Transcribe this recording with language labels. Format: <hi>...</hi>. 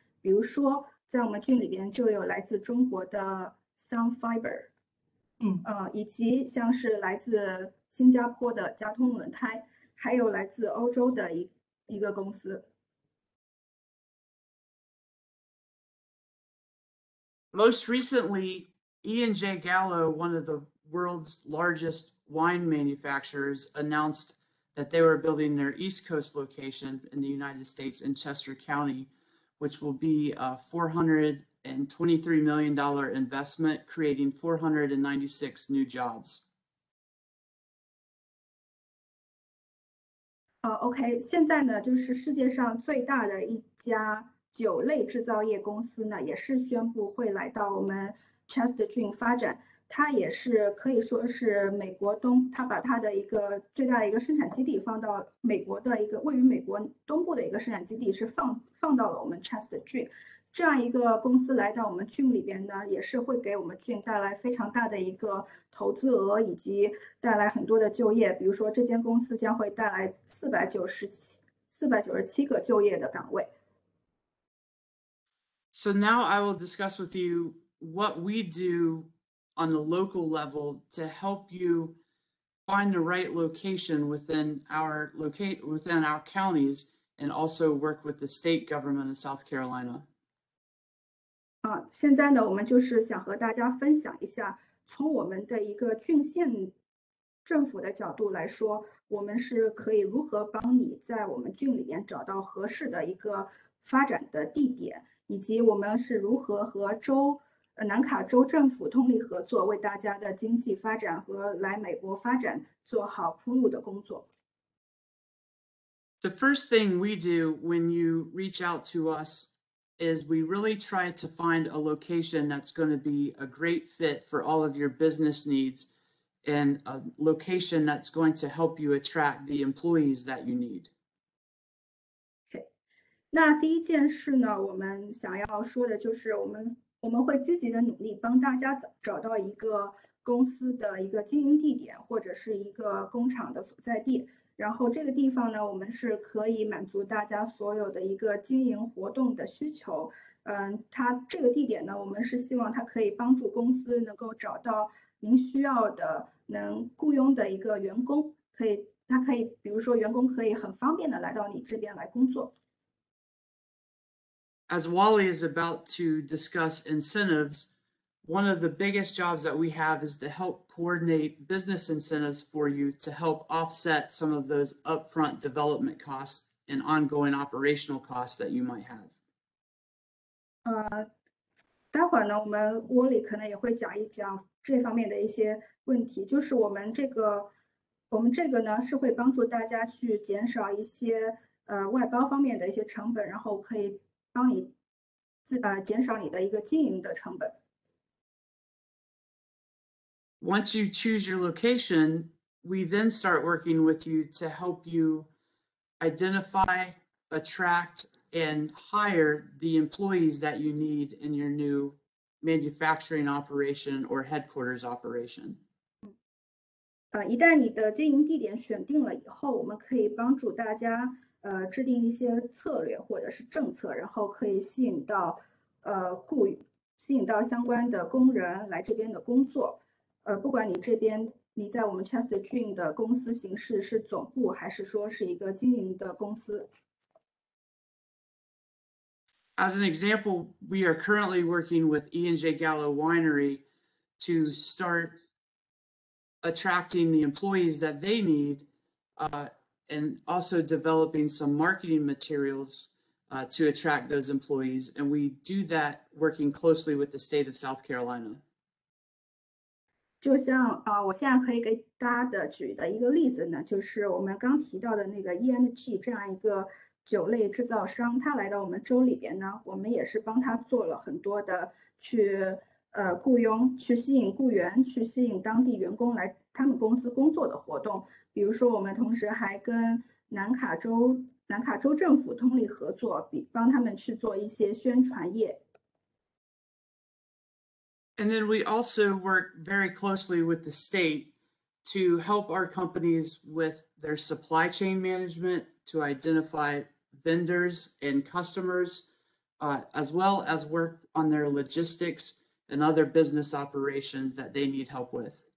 <zh>比如说，在我们郡里边就有来自中国的 Sun Fiber， 以及像是来自新加坡的交通轮胎，还有来自欧洲的一个公司。</zh> <en>Most recently, E&J Gallo, one of the world's largest wine manufacturers, announced that they were building their East Coast location in the United States in Chester County, which will be a $423 million investment, creating 496 new jobs.</en> <zh>Okay, 现在呢，就是世界上最大的一家酒类制造业公司呢，也是宣布会来到我们 Chester 郡发展。它也是可以说是美国东，它把它的一个最大的一个生产基地放到美国的一个位于美国东部的一个生产基地是放到了我们 Chester 郡，这样一个公司来到我们郡里边呢，也是会给我们郡带来非常大的一个投资额以及带来很多的就业，比如说这间公司将会带来497个就业的岗位。</zh> <en>So now I will discuss with you what we do. On the local level to help you find the right location within our counties and also work with the state government of South Carolina.</en> <zh>现在呢我们就是想和大家分享一下从我们的一个郡县政府的角度来说我们是可以如何帮你在我们郡里面找到合适的一个发展的地点以及我们是如何和州南卡州政府通力合作为大家的经济发展和来美国发展做好铺路的工作。</zh> <en>The first thing we do when you reach out to us is we really try to find a location that's going to be a great fit for all of your business needs and a location that's going to help you attract the employees that you need. Okay.</en> <zh>那第一件事呢我们想要说的就是我们会积极的努力帮大家找到一个公司的一个经营地点或者是一个工厂的所在地然后这个地方呢我们是可以满足大家所有的一个经营活动的需求它这个地点呢我们是希望它可以帮助公司能够找到您需要的能雇佣的一个员工它可以比如说员工可以很方便的来到你这边来工作</zh> <en>As Wally is about to discuss incentives, one of the biggest jobs that we have is to help coordinate business incentives for you to help offset some of those upfront development costs and ongoing operational costs that you might have.</en> <zh>待会儿呢，我们 Wally 可能也会讲一讲这方面的一些问题，就是我们这个呢是会帮助大家去减少一些外包方面的一些成本，然后可以。减少你的一个经营的成本。</zh> <en>Once you choose your location, we then start working with you to help you identify, attract, and hire the employees that you need in your new manufacturing operation or headquarters operation.</en> <zh>一旦你的经营地点选定了以后，我们可以帮助大家制定一些策略或者是政策，然后可以吸引到吸引到相关的工人来这边的工作。不管你这边你在我们 Chester Jean 的公司形式是总部还是说是一个经营的公司。</zh> <en>As an example, we are currently working with E&J Gallo Winery to start attracting the employees that they need, and also developing some marketing materials to attract those employees. And we do that working closely with the state of South Carolina.</en> <zh>就像我现在可以给大家的举的一个例子呢，就是我们刚提到的那个 ENG 这样一个酒类制造商，他来到我们州里边呢，我们也是帮他做了很多的去雇佣，去吸引雇员，去吸引当地员工来他们公司工作的活动。比如说我们同时还跟南卡州政府通力合作，帮他们去做一些宣传业。</zh> <en>And then we also work very closely with the state to help our companies with their supply chain management, to identify vendors and customers, as well as work on their logistics and other business operations that they need help with.</en>